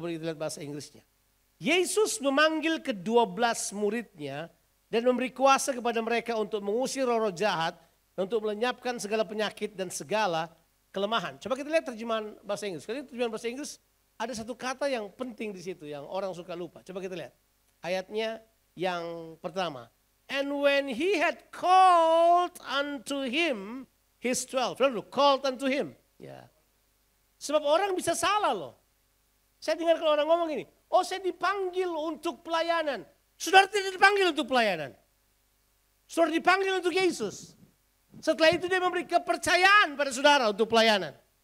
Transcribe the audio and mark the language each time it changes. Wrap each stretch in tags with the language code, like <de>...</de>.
<id>Kemudian kita lihat bahasa Inggrisnya. Yesus memanggil ke-12 muridnya. Dan memberi kuasa kepada mereka untuk mengusir roh-roh jahat. Untuk melenyapkan segala penyakit dan segala kelemahan. Coba kita lihat terjemahan bahasa Inggris. Karena terjemahan bahasa Inggris ada satu kata yang penting di situ. Yang orang suka lupa. Coba kita lihat. Ayatnya yang pertama.</id> <en>And when he had called unto him his 12.</en> <id>Lalu,</id> <en>called unto him.</en> <id>Ya. Sebab orang bisa salah loh. Saya dengar kalau orang ngomong ini. Oh saya dipanggil untuk pelayanan. Saudara tidak dipanggil untuk pelayanan. Saudara dipanggil untuk Yesus. Setelah itu dia memberi kepercayaan pada saudara untuk pelayanan.</id>